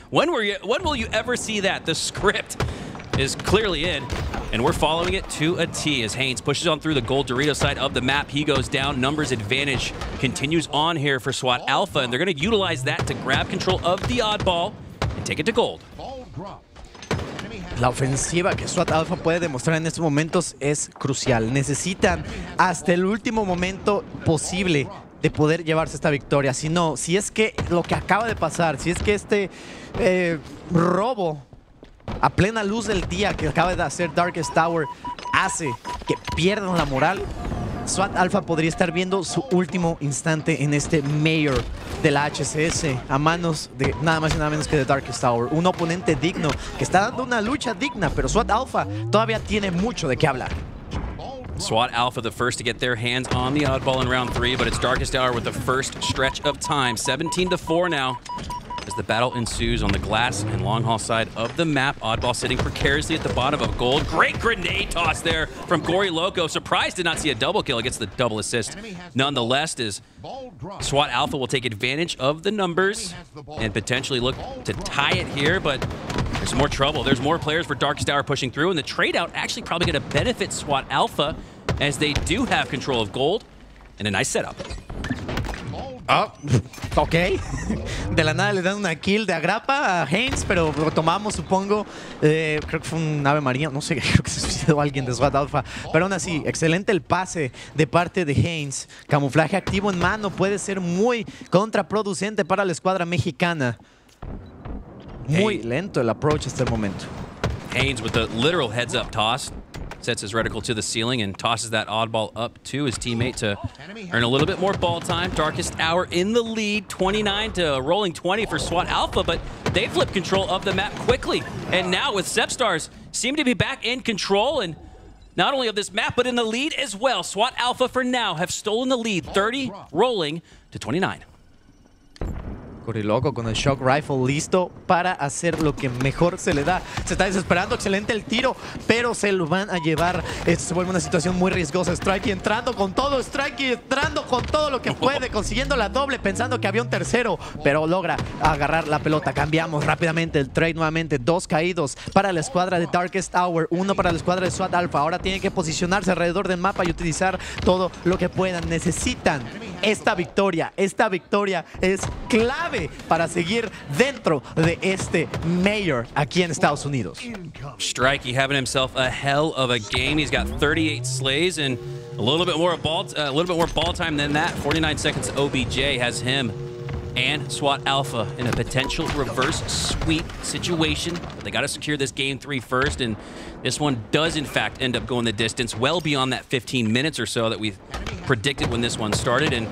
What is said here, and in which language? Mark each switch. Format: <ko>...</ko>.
<en>When will you ever see that? The script is clearly in, and we're following it to a T as Haines pushes on through the gold Dorito side of the map. He goes down. Numbers advantage continues on here for SWAT Alpha, and they're going to utilize that to grab control of the oddball and take it to gold.</en> <es>La ofensiva que SWAT Alpha puede demostrar en estos momentos es crucial. Necesitan hasta el último momento posible de poder llevarse esta victoria. Si no, si es que lo que acaba de pasar, si es que este robo a plena luz del día que acaba de hacer Darkest Tower hace que pierdan la moral, SWAT Alpha podría estar viendo su último instante en este mayor de la HCS a manos de nada más y nada menos que de Darkest Tower, un oponente digno que está dando una lucha digna, pero SWAT Alpha todavía tiene mucho de qué hablar.</es> <en>SWAT Alpha the first to get their hands on the oddball in round three, but it's Darkest Tower with the first stretch of time, 17-4 now. As the battle ensues on the glass and long haul side of the map, Oddball sitting precariously at the bottom of gold. Great grenade toss there from Gory Loco. Surprised to not see a double kill against the double assist. Nonetheless, as SWAT Alpha will take advantage of the numbers and potentially look to tie it here, but there's more trouble. There's more players for Darkest Hour pushing through, and the trade out actually probably going to benefit SWAT Alpha as they do have control of gold and a nice setup. Oh, ok.</en> <es>De la nada le dan una kill de agrapa a Haines, pero lo tomamos, supongo. Creo que fue un ave maría. No sé, creo que se suicidó alguien de SWAT Alpha. Pero aún así, excelente el pase de parte de Haines. Camuflaje activo en mano puede ser muy contraproducente para la escuadra mexicana. Muy lento el approach hasta el momento.</es> <en>Haines with the literal heads up toss. Sets his reticle to the ceiling and tosses that oddball up to his teammate to earn a little bit more ball time. Darkest Hour in the lead, 29 to rolling 20 for SWAT Alpha, but they flip control of the map quickly. And now with Sepstars, seem to be back in control and not only of this map, but in the lead as well. SWAT Alpha for now have stolen the lead, 30 rolling to 29.</en> <es>Coriloco con el shock rifle listo para hacer lo que mejor se le da. Se está desesperando, excelente el tiro, pero se lo van a llevar. Esto se vuelve una situación muy riesgosa. Strikeyy entrando con todo, Strikeyy entrando con todo lo que puede, consiguiendo la doble, pensando que había un tercero, pero logra agarrar la pelota. Cambiamos rápidamente el trade nuevamente. Dos caídos para la escuadra de Darkest Hour, uno para la escuadra de SWAT Alpha. Ahora tienen que posicionarse alrededor del mapa y utilizar todo lo que puedan. Necesitan esta victoria. Esta victoria es clave para seguir dentro de este mayor aquí en Estados Unidos.</es> <en>Strikeyy having himself a hell of a game. He's got 38 slays and a little bit more ball time than that. 49 seconds OBJ has him and SWAT Alpha in a potential reverse sweep situation. But they got to secure this game three first, and this one does in fact end up going the distance, well beyond that 15 minutes or so that we predicted when this one started.</en>